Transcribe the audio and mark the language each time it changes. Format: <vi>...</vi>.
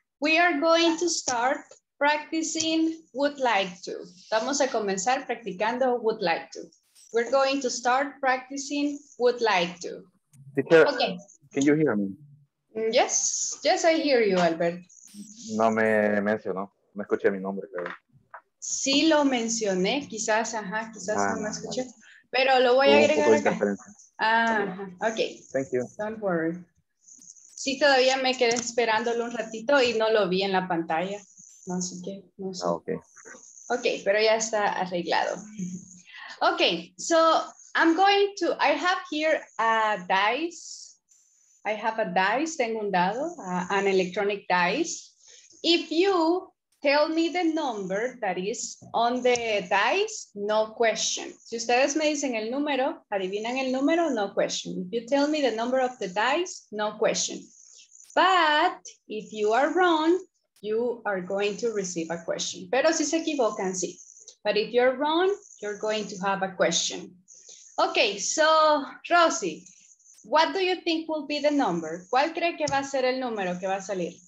<en>We are going to start practicing would like to.</en> <es>Vamos a comenzar practicando</es> <en>would like to. We're going to start practicing would like to. Teacher, okay. Can you hear me? Yes, yes, I hear you, Albert.</en> <es>No me mencionó, me escuché mi nombre, creo. Sí lo mencioné, quizás, ajá, quizás no me escuché. Pero lo voy a agregar acá. Okay.</es> <en>Thank you. Don't worry.</en> <es>Sí, todavía me quedé esperándolo un ratito y no lo vi en la pantalla. No sé qué, no sé.</es> <en>Okay.</en> <es>Okay, pero ya está arreglado.</es> <en>Okay, so I'm going to, I have here a dice. I have a dice,</en> <es>tengo un dado,</es> <en>an electronic dice. If you tell me the number that is on the dice, no question.</en> <es>Si ustedes me dicen el número, adivinan el número,</es> <en>no question. If you tell me the number of the dice, no question. But if you are wrong, you are going to receive a question.</en> <es>Pero si se equivocan, sí.</es> <en>But if you're wrong, you're going to have a question. Okay, so Rosie, what do you think will be the number?</en> <es>¿Cuál cree que va a ser el número que va a salir?</es>